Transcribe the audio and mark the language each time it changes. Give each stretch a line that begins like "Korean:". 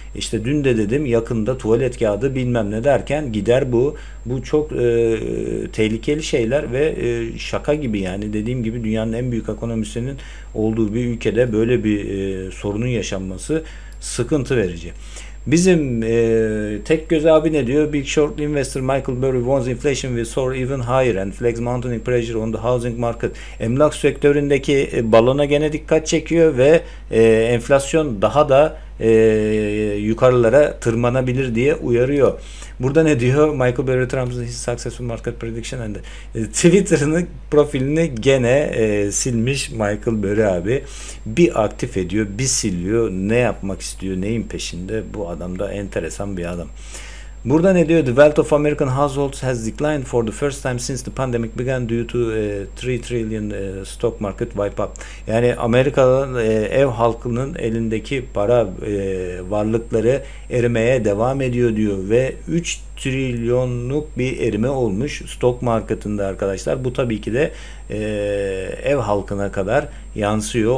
Turkish: İşte dün de dedim yakında tuvalet kağıdı bilmem ne derken gider bu. Bu çok tehlikeli şeyler ve şaka gibi, yani dediğim gibi dünyanın en büyük ekonomisinin olduğu bir ülkede böyle bir sorunun yaşanması sıkıntı verici. Bizim tek göz abi ne diyor?
English: Big short investor Michael Burry warns inflation will soar even higher and flags mounting pressure on the housing market.
Turkish: Emlak sektöründeki balona gene dikkat çekiyor ve enflasyon daha da yukarılara tırmanabilir diye uyarıyor. Burada ne diyor? Michael Burry Trump'ın
English: his successful market prediction and
Turkish: Twitter'ın profilini gene silmiş Michael Burry abi. Bir aktif ediyor, bir siliyor. Ne yapmak istiyor? Neyin peşinde? Bu adam da enteresan bir adam. Burada ne diyor?
English: The wealth of American households has declined for the first time since the pandemic began due to $3 trillion stock market wipeout.
Turkish: Yani Amerika'nın ev halkının elindeki para varlıkları erimeye devam ediyor diyor ve 3 trilyonluk bir erime olmuş stok marketinde arkadaşlar. Bu tabii ki de ev halkına kadar yansıyor.